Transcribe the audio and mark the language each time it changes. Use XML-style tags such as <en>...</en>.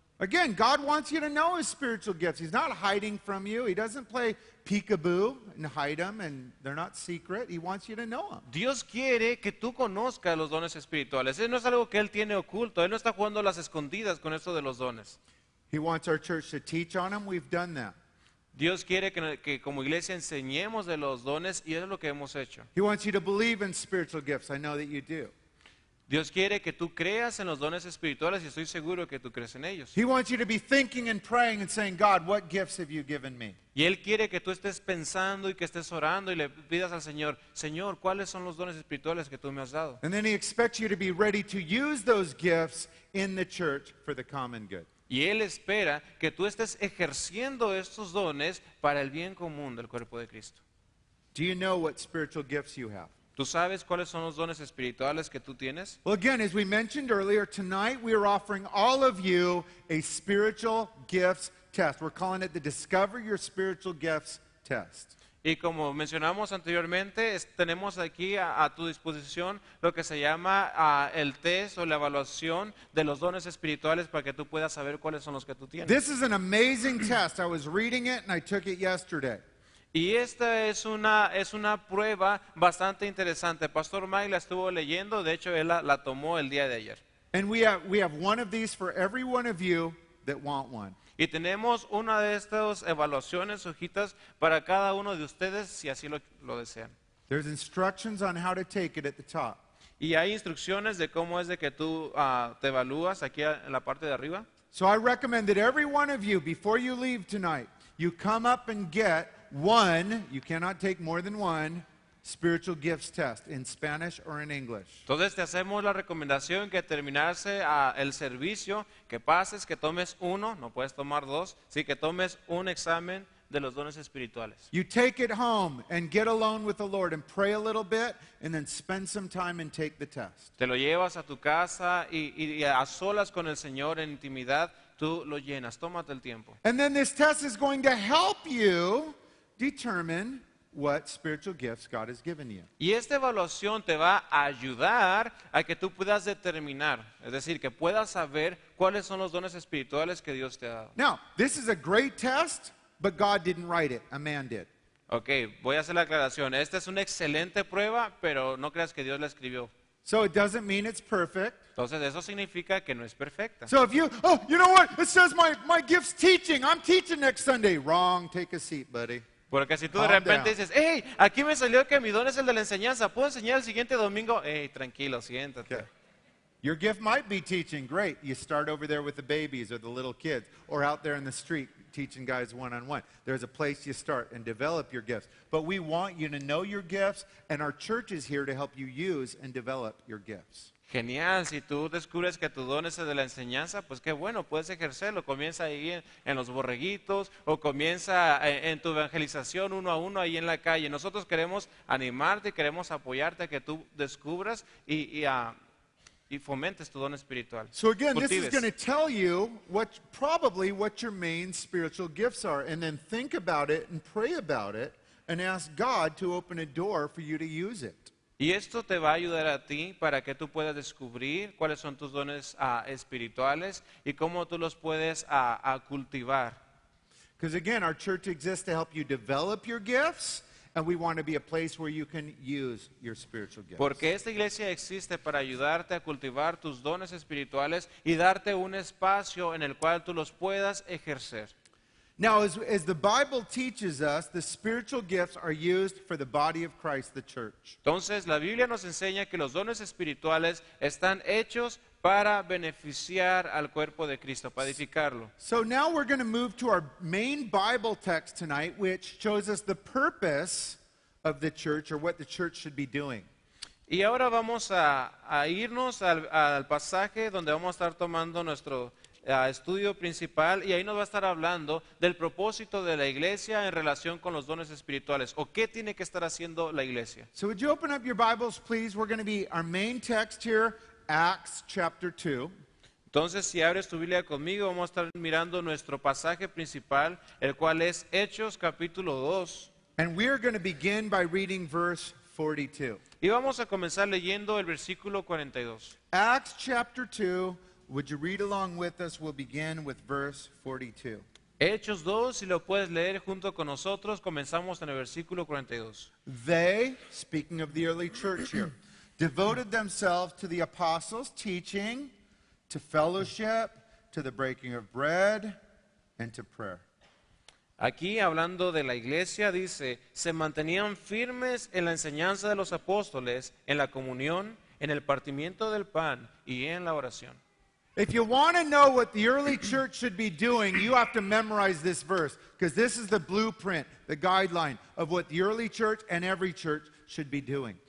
<en>Again, God wants you to know his spiritual gifts. He's not hiding from you. He doesn't play peekaboo and hide them, and they're not secret. He wants you to know them.</en> <es>Dios quiere que tú conozcas los dones espirituales. Eso no es algo que él tiene oculto. Él no está jugando las escondidas con esto de los dones.</es> <en>He wants our church to teach on them. We've done that.</en> <es>Dios quiere que como iglesia enseñemos de los dones, y eso es lo que hemos hecho.</es> <en>He wants you to believe in spiritual gifts. I know that you do.</en> <es>Dios quiere que tú creas en los dones espirituales, y estoy seguro que tú crees en ellos.</es> <en>He wants you to be thinking and praying and saying, God, what gifts have you given me?</en> <es>Y él quiere que tú estés pensando y que estés orando y le pidas al Señor, Señor, ¿cuáles son los dones espirituales que tú me has dado?</es> <en>And then he expects you to be ready to use those gifts in the church for the common good.</en> <es>Y él espera que tú estés ejerciendo estos dones para el bien común del cuerpo de Cristo.</es> <en>Do you know what spiritual gifts you have?</en> <es>¿Tú sabes cuáles son los dones espirituales que tú tienes?</es> <en>Well, again, as we mentioned earlier, tonight we are offering all of you a spiritual gifts test. We're calling it the Discover Your Spiritual Gifts Test.</en> <es>Y como mencionamos anteriormente, tenemos aquí a tu disposición lo que se llama el test o la evaluación de los dones espirituales para que tú puedas saber cuáles son los que tú tienes.</es> <en>This is an amazing test. I was reading it and I took it yesterday.</en> <es>Y esta es una prueba bastante interesante. Pastor Mike la estuvo leyendo, de hecho él la tomó el día de ayer.</es> <en>And we have one of these for every one of you that want one.</en> <es>Y tenemos una de estas evaluaciones hojitas para cada uno de ustedes si así lo desean.</es> <en>There's instructions on how to take it at the top.</en> <es>Y hay instrucciones de cómo es de que tú te evalúas aquí en la parte de arriba.</es> <en>So I recommend that every one of you, before you leave tonight, you come up and get one, you cannot take more than one, spiritual gifts test in Spanish or in English.</en> <es>Entonces te hacemos la recomendación que terminarse el servicio, que pases, que tomes uno, no puedes tomar dos, sí, que tomes un examen de los dones espirituales.</es> <en>You take it home and get alone with the Lord and pray a little bit and then spend some time and take the test.</en> <es>Te lo llevas a tu casa y a solas con el Señor en intimidad, tú lo llenas, tómate el tiempo.</es> <en>And then this test is going to help you determine what spiritual gifts God has given you.</en> <es>Y esta evaluación te va a ayudar a que tú puedas determinar, es decir, que puedas saber cuáles son los dones espirituales que Dios te ha dado.</es> <en>Now, this is a great test, but God didn't write it, a man did.</en> <es>Okay, voy a hacer la aclaración. Esta es una excelente prueba, pero no creas que Dios la escribió.</es> <en>So it doesn't mean it's perfect.</en> <es>Entonces eso significa que no es perfecta.</es> <en>So if you know what? It says my gift's teaching. I'm teaching next Sunday. Wrong. Take a seat, buddy.</en> <es>Porque si tú de repente dices, hey, aquí me salió que mi don es el de la enseñanza. ¿Puedo enseñar el siguiente domingo? Hey, tranquilo, siéntate. Okay.</es> <en>Your gift might be teaching. Great. You start over there with the babies or the little kids or out there in the street teaching guys one-on-one. There's a place you start and develop your gifts. But we want you to know your gifts, and our church is here to help you use and develop your gifts.</en> <es>Genial, si tú descubres que tu don es el de la enseñanza, pues qué bueno, puedes ejercerlo. Comienza ahí en los borreguitos o comienza en tu evangelización uno a uno ahí en la calle. Nosotros queremos animarte, queremos apoyarte a que tú descubras y fomentes tu don espiritual.</es> <en>So again,</en> <es>cultives.</es> <en>This is going to tell you what your main spiritual gifts are, and then think about it and pray about it and ask God to open a door for you to use it.</en> <es>Y esto te va a ayudar a ti para que tú puedas descubrir cuáles son tus dones espirituales y cómo tú los puedes a cultivar.</es> <en>Because again, our church exists to help you develop your gifts, and we want to be a place where you can use your spiritual gifts.</en> <es>Porque esta iglesia existe para ayudarte a cultivar tus dones espirituales y darte un espacio en el cual tú los puedas ejercer.</es> <en>Now, as the Bible teaches us, the spiritual gifts are used for the body of Christ, the church.</en> <es>Entonces, la Biblia nos enseña que los dones espirituales están hechos para beneficiar al cuerpo de Cristo, para edificarlo.</es> <en>So now we're going to move to our main Bible text tonight, which shows us the purpose of the church or what the church should be doing.</en> <es>Y ahora vamos a irnos al pasaje donde vamos a estar tomando nuestro estudio principal, y ahí nos va a estar hablando del propósito de la iglesia en relación con los dones espirituales o qué tiene que estar haciendo la iglesia.</es> <en>So would you open up your Bibles, please? We're going to be our main text here, Acts chapter 2.</en> <es>Entonces, si abres tu Biblia conmigo, vamos a estar mirando nuestro pasaje principal, el cual es Hechos capítulo 2.</es> <en>And we are going to begin by reading verse 42.</en> <es>Y vamos a comenzar leyendo el versículo 42.</es> <en>Acts chapter 2, Would you read along with us? We'll begin with verse 42.</en> <es>Hechos 2, si lo puedes leer junto con nosotros, comenzamos en el versículo 42.</es> <en>They, speaking of the early church here, devoted themselves to the apostles' teaching, to fellowship, to the breaking of bread, and to prayer.</en> <es>Aquí, hablando de la iglesia, dice, se mantenían firmes en la enseñanza de los apóstoles, en la comunión, en el partimiento del pan y en la oración.</es> <en>If you want to know what the early church should be doing, you have to memorize this verse, because this is the blueprint, the guideline of what the early church and every church should be doing.</en>